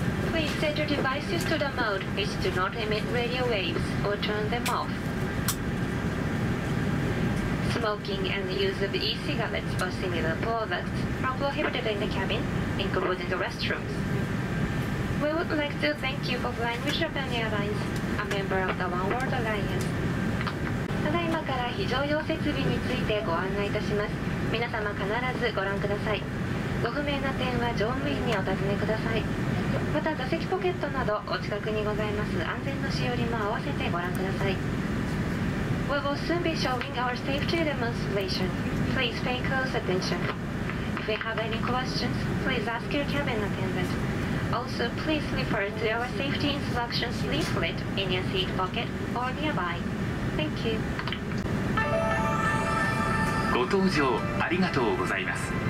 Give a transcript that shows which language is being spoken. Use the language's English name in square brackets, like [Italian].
[English] Please set your devices to the mode which do not emit radio waves or turn them off. Smoking and the use of e-cigarettes or similar products are prohibited in the cabin, including the restrooms. We would like to thank you for flying with Japan Airlines. A member of the One World Alliance. [Japanese] ただいまから非常用設備についてご案内いたします。皆様必ずご覧ください。ご不明な点は乗務員にお尋ねください。また座席ポケットなどお近くにございます安全のしおりも合わせてご覧ください。 [English] We will soon be showing our safety demonstration. Please pay close attention. If you have any questions, please ask your cabin attendant. Also, please refer to our safety instructions leaflet in your seat pocket or nearby. Thank you. [Japanese] ご搭乗ありがとうございます。